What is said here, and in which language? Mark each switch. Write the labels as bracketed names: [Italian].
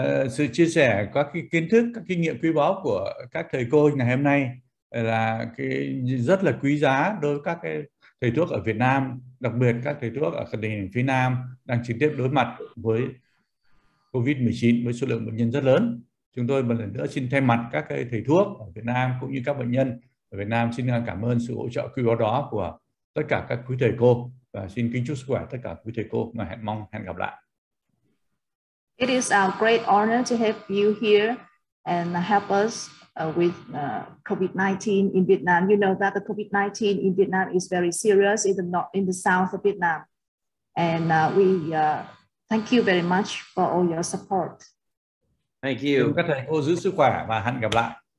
[Vietnamese] Sự chia sẻ các cái kiến thức, các kinh nghiệm quý báu của các thầy cô ngày hôm nay là cái rất là quý giá đối với các cái thầy thuốc ở Việt Nam, đặc biệt các thầy thuốc ở tỉnh phía Nam đang trực tiếp đối mặt với COVID-19 với số lượng bệnh nhân rất lớn. Chúng tôi một lần nữa xin thay mặt các cái thầy thuốc ở Việt Nam cũng như các bệnh nhân ở Việt Nam xin cảm ơn sự hỗ trợ quý báu đó của tất cả các quý thầy cô và xin kính chúc sức khỏe tất cả quý thầy cô và hẹn mong hẹn gặp lại. [English] It is our great honor to have you here and help us with COVID-19 in Vietnam. You know that the COVID-19 in Vietnam is very serious in the north, in the south of Vietnam. And we thank you very much for all your support. Thank you. [Vietnamese] Các thầy cô giữ sức khỏe và hẹn gặp lại.